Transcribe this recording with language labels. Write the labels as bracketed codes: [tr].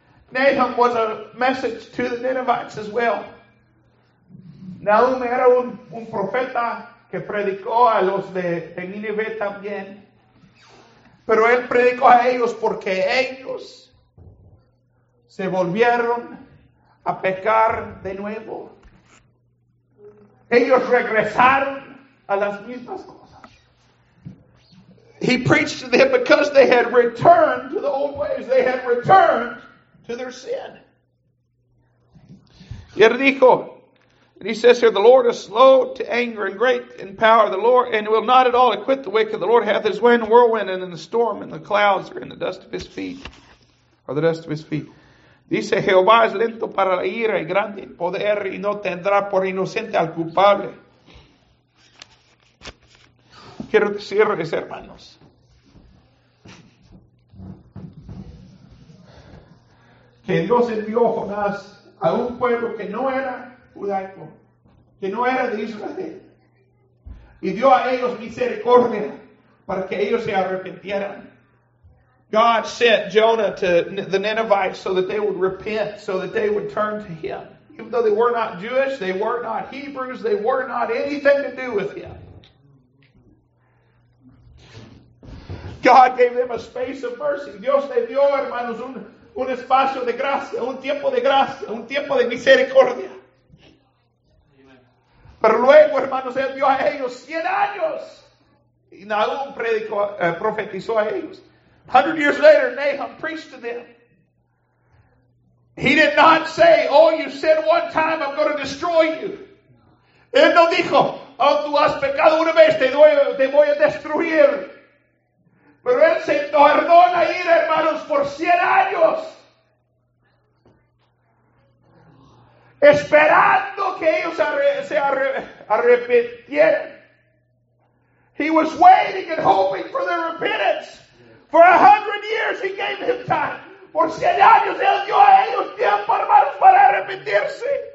[en] Nahum was a message to the Ninevites as well. [es] Nahum era un profeta que predicó a los de Nínive también. Pero él predicó a ellos porque ellos se volvieron a pecar de nuevo. Ellos regresaron a las mismas cosas. [en] He preached to them because they had returned to the old ways. They had returned to their sin. [es] Y él dijo, [en] and he says here, the Lord is slow to anger and great in power of the Lord, and will not at all acquit the wicked. The Lord hath his way in the whirlwind and in the storm, and the clouds are in the dust of his feet, or the dust of his feet. [es] Dice, Jehová es lento para la ira y grande en poder, y no tendrá por inocente al culpable. Quiero decirles, hermanos, que Dios envió Jonás a un pueblo que no era judaico, que no era de Israel, y dio a ellos misericordia para que ellos se arrepintieran. [en] God sent Jonah to the Ninevites so that they would repent, so that they would turn to him. Even though they were not Jewish, they were not Hebrews, they were not anything to do with him. God gave them a space of mercy. [es] Dios le dio, hermanos, un espacio de gracia, un tiempo de gracia, un tiempo de misericordia. Pero luego, hermanos, él dio a ellos 100 años. Y Nahum profetizó a ellos. [en] 100 years later, Nahum preached to them. He did not say, oh, you sinned one time, I'm going to destroy you. [es] Él no dijo, oh, tú has pecado una vez, te voy a destruir. Pero él se tardó en ir, hermanos, por 100 años. Esperando que ellos se arrepintieran. [en] He was waiting and hoping for their repentance. For 100 years he gave him time. [es] Por 100 años él dio a ellos tiempo, hermanos, para arrepentirse.